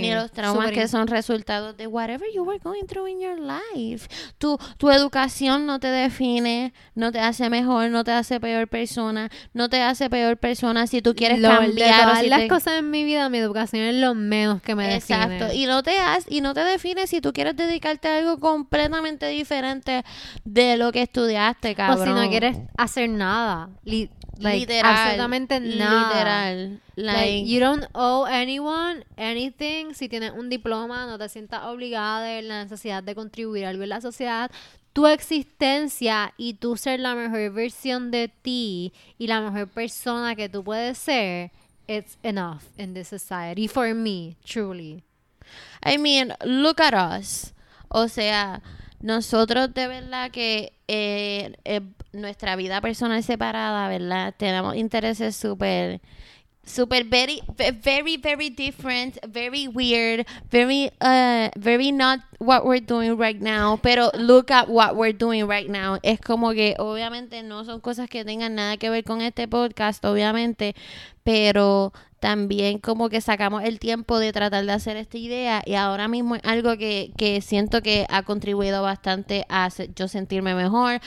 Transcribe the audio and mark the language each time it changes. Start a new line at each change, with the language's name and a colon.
Spanish: ni los traumas que son resultados de
English: whatever you were going through in your life.
Spanish: Tu educación no te define, no te hace mejor, no te hace peor persona, no te hace peor persona si tú quieres lo, cambiar de todas o si las te... cosas en mi vida, mi educación es lo menos que me define. Exacto. Y no te hace, y no te define si tú quieres dedicarte a algo completamente diferente de lo que estudiaste, cabrón. O si no quieres hacer nada. Literal. Absolutamente nada. Literal.
English: Like, you don't owe anyone anything.
Spanish: Si tienes un diploma, no te sientas obligada de la necesidad de contribuir algo en la sociedad. Tu existencia y tú ser la mejor versión de ti y la mejor persona que tú puedes ser,
English: it's enough in this society for me, truly. I mean, look at us.
Spanish: O sea, nosotros de verdad que nuestra vida personal separada, ¿verdad? Tenemos intereses súper, súper,
English: very, very, very different, very weird, very, very not what we're doing right now.
Spanish: Pero
English: look at what we're doing right now.
Spanish: Es como que obviamente no son cosas que tengan nada que ver con este podcast, obviamente, pero también como que sacamos el tiempo de tratar de hacer esta idea y ahora mismo es algo que siento que ha contribuido bastante a yo sentirme mejor.